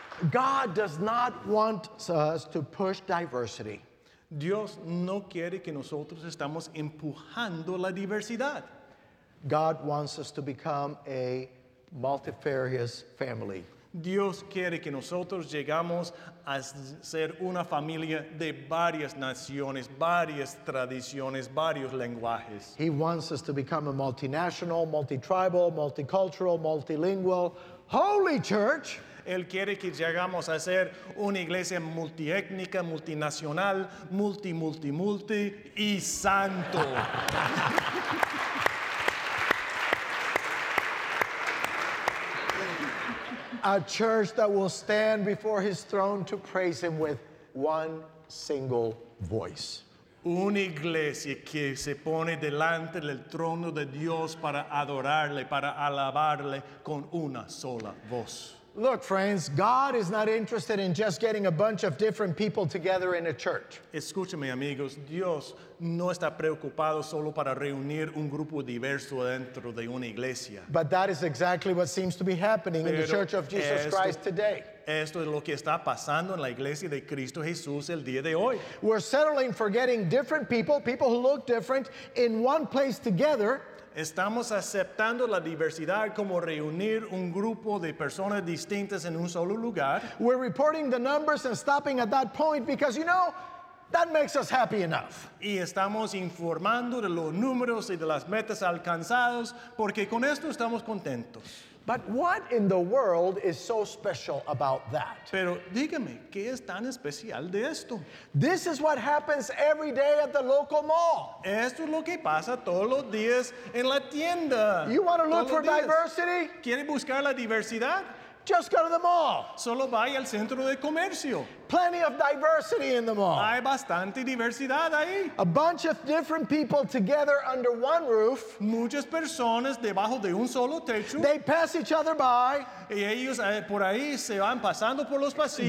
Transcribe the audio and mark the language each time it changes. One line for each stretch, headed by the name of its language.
English: God does not want us to push diversity.
Spanish: Dios no quiere que nosotros estamos empujando la diversidad.
English: God wants us to become a multifarious family.
Spanish: Dios quiere que nosotros llegamos a ser una familia de varias naciones, varias tradiciones, varios lenguajes.
English: He wants us to become a multinational, multi-tribal, multicultural, multilingual, holy church.
Spanish: Él quiere que llegamos a ser una iglesia multiétnica, multinacional, multi-multi-multi y santo.
English: A church that will stand before his throne to praise him with one single voice.
Spanish: Una iglesia que se pone delante del trono de Dios para adorarle, para alabarle con una sola voz.
English: Look, friends, God is not interested in just getting a bunch of different people together in a church.
Spanish: Escúchame, amigos. Dios no está preocupado solo para reunir un grupo diverso dentro de una iglesia.
English: But that is exactly what seems to be happening in the Church of Jesus Christ today.
Spanish: Esto es lo que está pasando en la iglesia de Cristo Jesús el día de hoy.
English: We're settling for getting different people, people who look different, in one place together.
Spanish: Estamos aceptando la diversidad como reunir un grupo de personas distintas en un solo lugar.
English: We're reporting the numbers and stopping at that point because, you know, that makes us happy enough.
Spanish: Y estamos informando de los números y de las metas alcanzados porque con esto estamos contentos.
English: But what in the world is so special about that?
Spanish: Pero dígame, ¿qué es tan especial de esto?
English: This is what happens every day at the local mall.
Spanish: Esto es lo que pasa todos los días en la tienda.
English: You want to look for diversity?
Spanish: ¿Quiere buscar la diversidad?
English: Just go to the mall.
Spanish: Solo vaya al centro de comercio.
English: Plenty of diversity in the mall.
Spanish: Hay bastante diversidad ahí.
English: A bunch of different people together under one roof.
Spanish: Muchas personas debajo de un solo techo.
English: They pass each other by.
Spanish: Y ellos por ahí se van pasando por los pasillos.